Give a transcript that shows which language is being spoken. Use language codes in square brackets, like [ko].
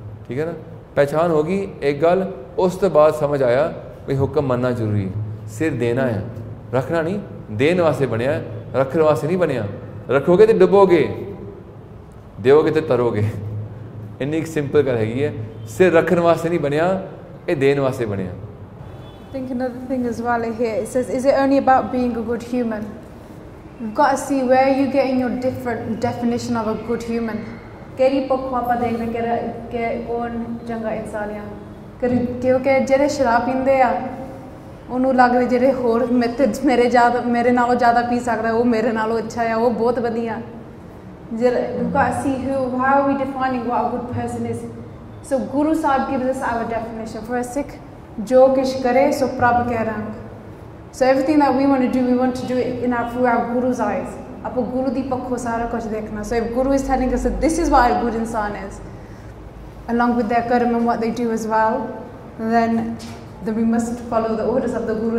[pa] ਠੀਕ ਹੈ ਨਾ, ਪਹਿਚਾਣ ਹੋ ਗਈ ਇੱਕ ਗੱਲ, ਉਸ ਤੋਂ ਬਾਅਦ ਸਮਝ ਆਇਆ ਵੀ ਹੁਕਮ ਮੰਨਣਾ ਜ਼ਰੂਰੀ ਹੈ। ਸਿਰ ਦੇਣਾ ਹੈ, ਰੱਖਣਾ ਨਹੀਂ, ਦੇਣ ਵਾਸਤੇ ਬਣਿਆ, ਰੱਖਣ ਵਾਸਤੇ ਨਹੀਂ ਬਣਿਆ। ਰੱਖੋਗੇ ਤਾਂ ਡੁੱਬੋਗੇ, ਦਿਓਗੇ ਤਾਂ ਤਰੋਗੇ। ਇੰਨੀ ਇੱਕ ਸਿੰਪਲ ਗੱਲ ਹੈਗੀ ਹੈ, ਸਿਰ ਰੱਖਣ ਵਾਸਤੇ ਨਹੀਂ ਬਣਿਆ, ਇਹ ਦੇਣ ਵਾਸਤੇ ਬਣਿਆ। [en] Think another thing as well here, it says, is it only about being a good human? You've got to see where you're getting your different definition of a good human. [pa] ਕਿਹੜੀ ਪੱਖੋਂ ਆਪਾਂ ਦੇਖਦੇ ਕਿਹੜਾ ਕੌਣ ਚੰਗਾ ਇਨਸਾਨ ਆ? ਕਿਉਂਕਿ ਜਿਹੜੇ ਸ਼ਰਾਬ ਪੀਂਦੇ ਆ ਉਹਨੂੰ ਲੱਗਦਾ ਜਿਹੜੇ ਹੋਰ ਮੇਰੇ ਜ਼ਿਆਦਾ ਮੇਰੇ ਨਾਲੋਂ ਜ਼ਿਆਦਾ ਪੀ ਸਕਦਾ ਉਹ ਮੇਰੇ ਨਾਲੋਂ ਅੱਛਾ ਆ, ਉਹ ਬਹੁਤ ਵਧੀਆ। [en] How are we defining what a good person is? So Guru Sahib gives us our definition. For a Sikh, [pa] jo kish kare so prab keh rang. [en] So everything that we want to do, we want to do it in our, through our Guru's eyes. [pa] Apo Guru di pakho sara kuch dekhna. [en] So if Guru is telling us that this is what a good insan is, along with their karma and what they do as well, then we must follow the orders of the Guru.